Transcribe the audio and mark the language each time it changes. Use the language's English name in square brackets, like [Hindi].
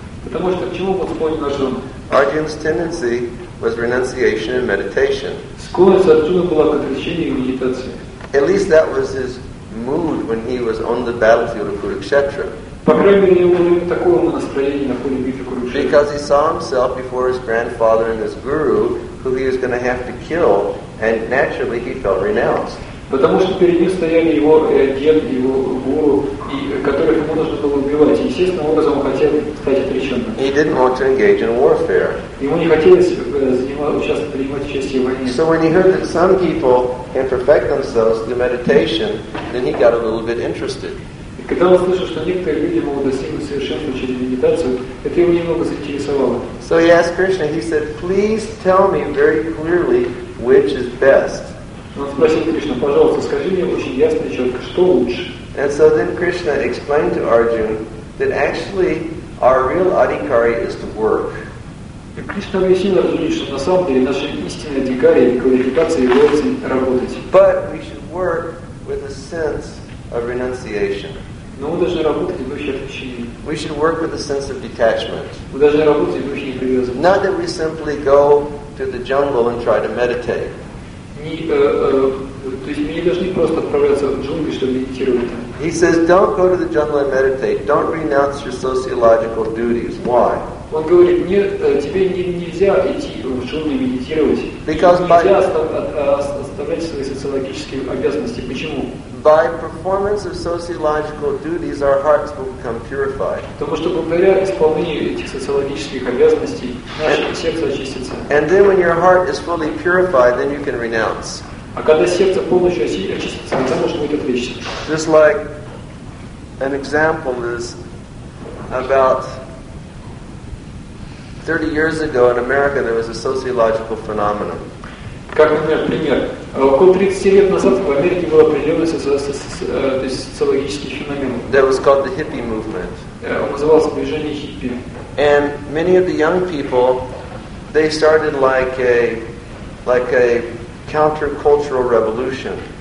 [Russian] Потому что к чему Господь нас жен? [English] Arjuna's tendency was renunciation and meditation. [Russian] Склонность Арджуны была к отречению и медитации. [English] At least that was his mood when he was on the battlefield of Kurukshetra. [Russian] По крайней мере, он имел такое настроение на поле битвы Курукшетры. [English] Because he saw himself before his grandfather and his guru, who he was going to have to kill, and naturally he felt renounced. [Russian] Потому что перед ним стояли его дед, его гуру, и которых ему нужно было убивать. Естественным образом он хотел стать отреченным. [English] He didn't want to engage in warfare. [Russian] Ему не хотелось принимать участие в войне. [English] So when he heard that some people can perfect themselves through meditation, then he got a little bit interested. [Russian] И когда он слышал, что некоторые люди могут достигнуть совершенства через медитацию, это его немного заинтересовало. [English] So he asked Krishna, he said, please tell me very clearly which is best. [Russian] Он спросил Кришну, пожалуйста, скажи мне очень ясно и четко, что лучше. [English] And so then Krishna explained to Arjuna that actually our real adhikari is to work. [Russian] И Кришна объяснил Арджуне, что на самом деле наша истинная адхикария и квалификация является работать. [English] But we should work with a sense of renunciation. [Russian] Но мы должны работать в духе отречения. [English] We should work with a sense of detachment. [Russian] Мы должны работать в духе непривязанности. [English] Not that we simply go to the jungle and try to meditate. [Russian] Мы не должны просто отправляться в джунгли, чтобы медитировать. [English] He says, don't go to the jungle and meditate. Don't renounce your sociological duties. Why? [Russian] Он говорит, тебе нельзя идти в джунгли медитировать. [English] Because [Russian] оставлять свои социологические обязанности. Почему? [English] By performance of sociological duties, our hearts will become purified. [Russian] Потому что благодаря исполнению этих социологических обязанностей наше сердце очистится. [English] And then, when your heart is fully purified, then you can renounce. [Russian] А когда сердце полностью очистится, тогда можно будет отречься. [English] Just like an example is about 30 years ago in America, there was a sociological phenomenon. [Russian] Как, например, пример. Около 30 лет назад в Америке был определенный социологический феномен. [English] That was called the hippie movement. [Russian] Он назывался движение хиппи. [English] And many of the young people, they started like a counter-cultural revolution.